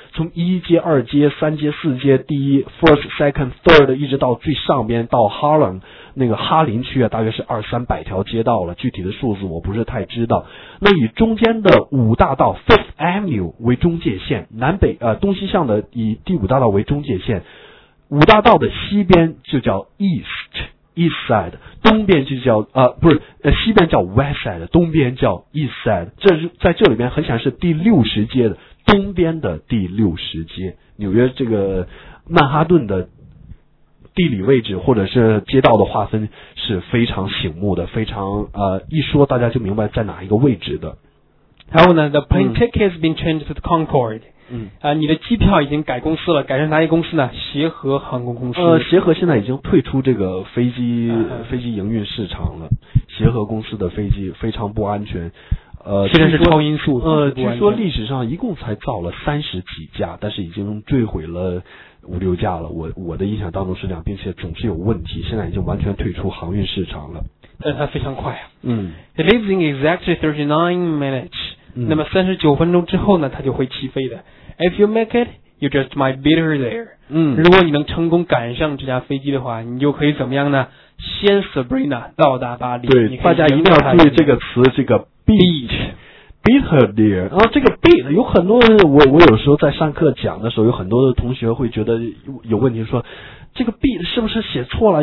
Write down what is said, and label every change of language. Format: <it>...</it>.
<zh>从一街、二街、三街、四街，第一 first、second、third， 一直到最上边到 Harlem 那个哈林区啊，大约是二三百条街道了。具体的数字我不是太知道。那以中间的五大道 Fifth Avenue 为中介线，南北东西向的以第五大道为中介线，五大道的西边就叫 East。 East side， 东边就叫西边叫 West side， 东边叫 East side。这是在这里面很显然是第六十街的东边的第六十街，纽约这个曼哈顿的地理位置或者是街道的划分是非常醒目的，非常一说大家就明白在哪一个位置的。然后呢</zh> <en>，The plane ticket has been changed to the Concorde。</en> <zh>你的机票已经改公司了，改成哪一公司呢？协和航空公司。协和现在已经退出这个飞机营运市场了。协和公司的飞机非常不安全。现在是超音速。据说历史上一共才造了三十几架，但是已经坠毁了五六架了。我的印象当中是这样，并且总是有问题。现在已经完全退出航运市场了。但它非常快啊。嗯。</zh> <en>It leaves in exactly 39 minutes。</en> <zh>那么39分钟之后呢，它就会起飞的。</zh> <en>If you make it, you just might be there.</en> <zh>如果你能成功赶上这架飞机的话，你就可以怎么样呢？先 Sabrina 到达巴黎。对，大家一定要注意这个词，这个 beat。</zh> <en>Beat her there。</en> <zh>然后这个 beat 有很多，我有时候在上课讲的时候，有很多的同学会觉得有问题，说这个 beat 是不是写错了？</zh>